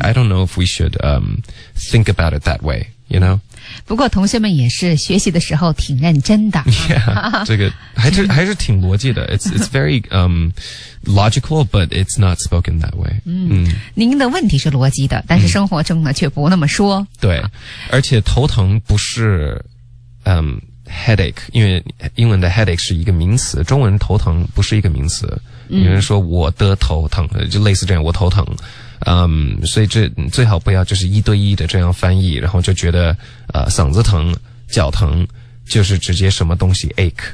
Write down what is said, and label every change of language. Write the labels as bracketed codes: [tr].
[en] I don't know if we should think about it that way you know [zh] 不过同学们也是学习的时候挺认真的 [en] yeah, [zh] 这个还是挺逻辑的 [en] it's very logical, but it's not spoken that way. [zh] 您的问题是逻辑的但是生活中呢却不那么说。对。而且头疼不是headache, 因为英文的 headache 是一个名词中文头疼不是一个名词。有人说我的头疼就类似这样我头疼。所以这最好不要就是一对一的这样翻译然后就觉得嗓子疼脚疼就是直接什么东西 ache。